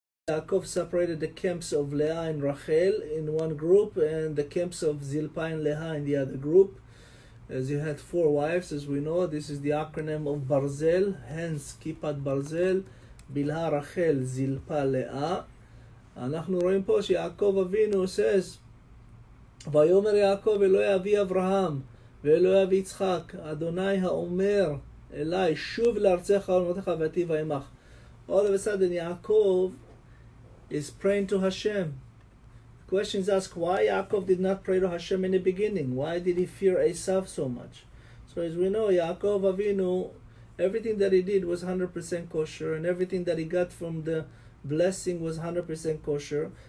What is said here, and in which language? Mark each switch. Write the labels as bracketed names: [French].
[English] Yaakov separated the camps of Leah and Rachel in one group and the camps of Zilpah and Leah in the other group. As he had four wives, as we know, this is the acronym of Barzel, hence Kipat Barzel, Bilha Rachel, Zilpah Leah. [Hebrew] אנחנו רואים פה שיעקב אבינו [English] says, [Hebrew] ויאמר יעקב אלוהי אבי אברהם ואלוהי אבי יצחק, אדוני האומר אליי, שוב לארצך ולמולדתך ואתיב עמך. [English] All of a sudden, יעקב is praying to Hashem. Questions ask, why Yaakov did not pray to Hashem in the beginning? Why did he fear Esav so much? So as we know, Yaakov Avinu, everything that he did was 100% kosher, and everything that he got from the blessing was 100% kosher.